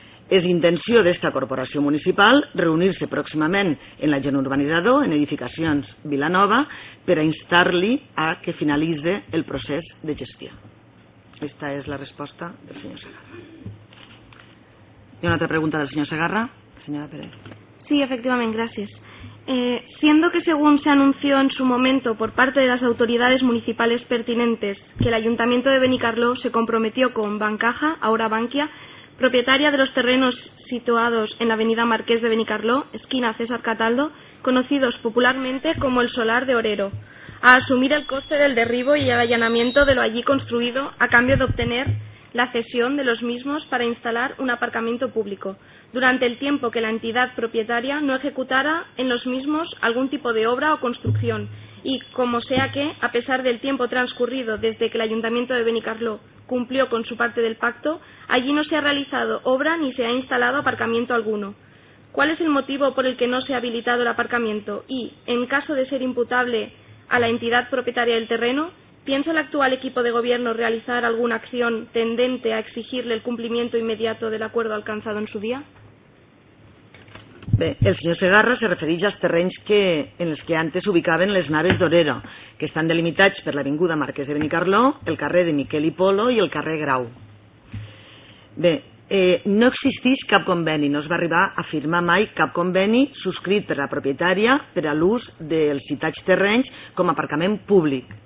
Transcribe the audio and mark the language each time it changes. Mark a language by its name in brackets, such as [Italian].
[Catalan] És intenció d'esta corporació municipal reunir-se pròximament en l'agent urbanitzador, en Edificacions Vilanova, per a instar-li a que finalitzi el procés de gestió. Aquesta és la resposta del senyor Segarra. Hi ha una altra pregunta del senyor Segarra. [Spanish] Señora Pérez. Sí, efectivamente, gracias. Siendo que según se anunció en su momento por parte de las autoridades municipales pertinentes que el Ayuntamiento de Benicarló se comprometió con Bancaja, ahora Bankia, propietaria de los terrenos situados en la avenida Marqués de Benicarló, esquina César Cataldo, conocidos popularmente como el Solar de Orero, a asumir el coste del derribo y el allanamiento de lo allí construido a cambio de obtener la cesión de los mismos para instalar un aparcamiento público, durante el tiempo que la entidad propietaria no ejecutara en los mismos algún tipo de obra o construcción, y como sea que, a pesar del tiempo transcurrido desde que el Ayuntamiento de Benicarló cumplió con su parte del pacto, allí no se ha realizado obra ni se ha instalado aparcamiento alguno. ¿Cuál es el motivo por el que no se ha habilitado el aparcamiento? Y, en caso de ser imputable a la entidad propietaria del terreno, ¿piensa el actual equipo de gobierno realizar alguna acción tendente a exigirle el cumplimiento inmediato del acuerdo alcanzado en su día? [Catalan] Bé, el senyor Segarra se refereix als terrenys que, en els que antes ubicaven les naves d'Orero, que estan delimitats per l'avinguda Marquès de Benicarló, el carrer de Miquel i Polo i el carrer Grau. Bé, no existeix cap conveni, no es va arribar a firmar mai cap conveni subscrit per la propietària per a l'ús dels citats terrenys com a aparcament públic.